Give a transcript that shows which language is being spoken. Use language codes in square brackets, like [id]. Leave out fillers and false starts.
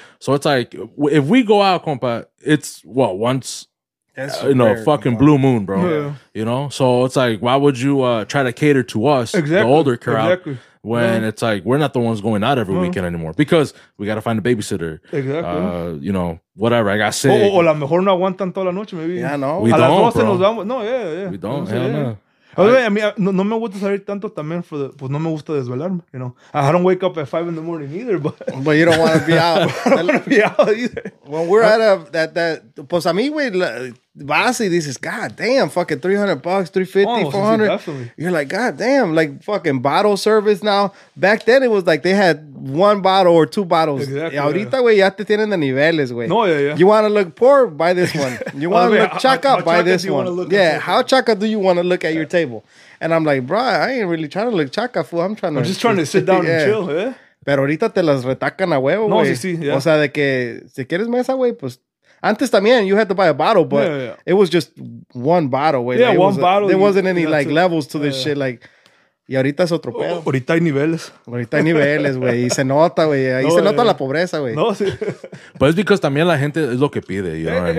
[en] So it's like, if we go out, compa, it's, what, once... you know, fucking blue moon, bro. Yeah. You know, so it's like, why would you try to cater to us, the older crowd, when it's like we're not the ones going out every weekend anymore because we got to find a babysitter. You know, whatever. I got sick. [es] O la mejor no aguantan toda la noche, maybe. [en] Yeah, no. We don't, bro. Nos [es] vamos. No, yeah. [en] We don't. Hell no. [es] I mean, no me gusta salir tanto también for the, pues no me gusta desvelarme, you know. [en] I don't wake up at 5 in the morning either, but you don't want to be out. I don't want to be out either. When we're out of that, [es] pues a mí, güey, [en] honestly, this is, God damn, fucking $300, $350, $400. Definitely. You're like, God damn, like fucking bottle service now. Back then, it was like they had one bottle or two bottles. Exactly. [es] Ahorita, güey, ya te tienen de niveles, güey. [en] No, yeah. You want to look poor? Buy this one. You want to look chaka? Buy this one. Yeah, how chaka do you want to look at your table? And I'm like, bro, I ain't really trying to look chaka, fool. I'm just trying to sit down and chill, yeah. [es] Pero ahorita te las retacan a huevo, güey. No, sí, yeah. O sea, de que si quieres mesa, güey, pues... Antes también, [en] you had to buy a bottle, but it was just one bottle. Wait, yeah, like, one bottle. There wasn't any like levels to this shit. [es] Like, y ahorita es otro pedo. Ahorita hay niveles. Ahorita hay niveles, güey. Y se nota, güey. Ahí se nota la pobreza, güey. No, sí. [en] But it's because [es] también la gente es lo que pide, [en] you know what I mean?